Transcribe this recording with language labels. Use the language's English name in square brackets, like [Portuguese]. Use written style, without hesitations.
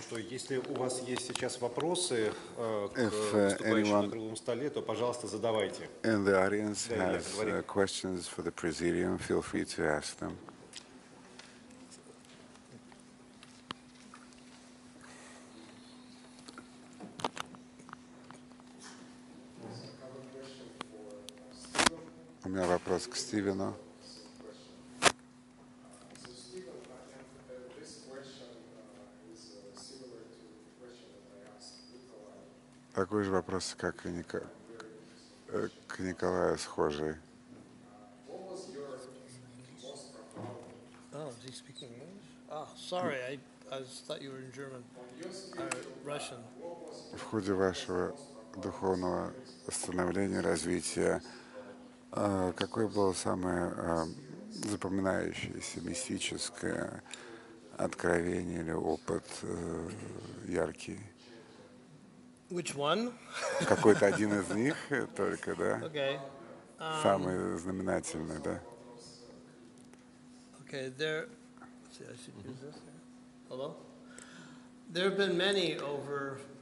[Russian] Если у вас есть сейчас вопросы к выступающему на круглом столе, то, пожалуйста, задавайте. [English] And the audience has questions for the presidium, feel free to ask them. [Russian] У меня вопрос к Стивену. Такой же вопрос, как и к Николаю схожий. [English] Oh, is he speaking English? Ah, sorry, I thought you were in German. Russian. [Russian] В ходе вашего духовного становления, развития, какое было самое запоминающееся мистическое откровение или опыт яркий? [English] Which one? [Russian] Какой-то один из них только, да? [English] Okay. [Russian] Самый знаменательный, да? [English] Okay, there. Let's see, I should use this. Hello. There have been many over